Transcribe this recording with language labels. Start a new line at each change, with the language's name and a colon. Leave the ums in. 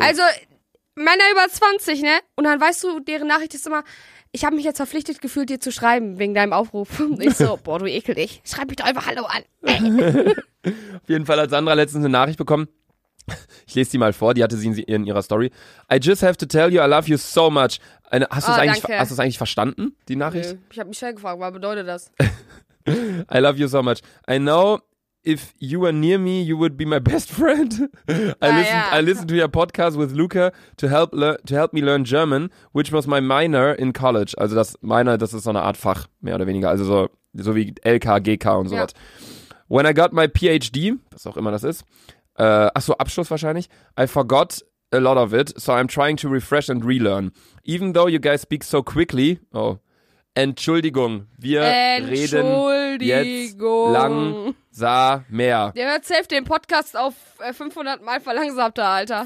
German: Also Männer über 20, ne? Und dann weißt du, deren Nachricht ist immer, ich habe mich jetzt verpflichtet gefühlt, dir zu schreiben wegen deinem Aufruf. Und ich so, boah, du ekel dich. Schreib mich doch einfach Hallo an. Auf jeden Fall hat Sandra letztens eine Nachricht bekommen. Ich lese die mal vor, die hatte sie in, in ihrer Story.
English: I just have to tell you, I love you so much.
German: Eine, hast du es Ah, eigentlich, danke. hast du's eigentlich verstanden, die Nachricht? Nö. Ich habe mich schnell gefragt, was bedeutet das?
English: I love you so much. I know if you were near me, you would be my best friend. I listened, yeah. I listened to your podcast with Luca to help lear- to help me learn German, which was my minor in college.
German: Also das Minor, das ist so eine Art Fach mehr oder weniger. Also so so wie LK, GK und sowas.
English: When I got my PhD,
German: was auch immer das ist. Äh, ach so, Abschluss wahrscheinlich.
English: I forgot a lot of it, so I'm trying to refresh and relearn. Even though you guys speak so quickly. Oh.
German: Entschuldigung, wir reden jetzt Entschuldigung. lang sah mehr. Der hört safe den Podcast auf äh, 500 Mal verlangsamter, Alter.